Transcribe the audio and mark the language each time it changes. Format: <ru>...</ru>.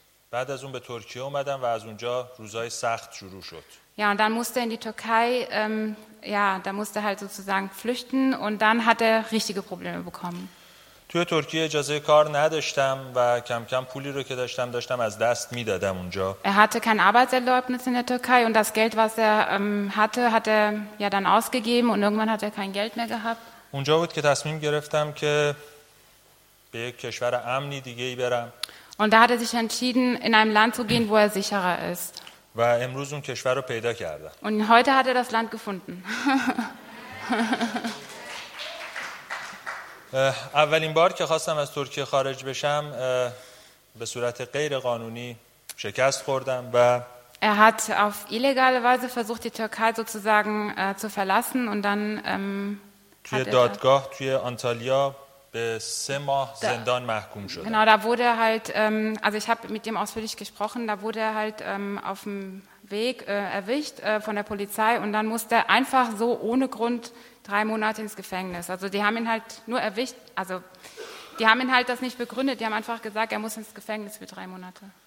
<fa>بعد از اون به ترکیه اومدم و از اونجا روزای سخت شروع شد.</fa> <de>Ja, und dann musste in die Türkei, ja, da musste halt sozusagen flüchten und dann hat er richtige Probleme bekommen.</de> <fa>توی ترکیه اجازه کار نداشتم و کم کم پولی رو که داشتم داشتم از دست میدادم اونجا.</fa> <de>Er hatte kein Arbeitserlaubnis in der Türkei und das Geld, was er hatte, hat er ja dann ausgegeben und irgendwann hat er kein Geld mehr gehabt.</de> <fa>اونجا بود که تصمیم گرفتم که به یک کشور امنی دیگه ای برم.</fa> <de>Und da hat er sich entschieden, in einem Land zu gehen, wo er sicherer ist.</de> <fa>و امروز اون کشور رو پیدا کردم.</fa> <de>Und heute hat er das Land gefunden.</de> <fa>اولین بار که خواستم از ترکیه خارج بشم به صورت غیر قانونی شکست خوردم و</fa> <de>Er hat auf illegale Weise versucht die Türkei sozusagen zu verlassen und dann</de> <fa>توی دادگاه توی آنتالیا به 3 ماه زندان محکوم شد.</fa> <de>Genau, da wurde er halt also ich habe mit dem ausführlich gesprochen, da wurde er halt auf dem Weg erwischt von der Polizei und dann musste er einfach so ohne Grund 3 Monate ins Gefängnis. Also die haben ihn halt nur erwischt, also die haben ihn halt das nicht begründet, die haben einfach gesagt, er muss ins Gefängnis für 3 Monate.</de>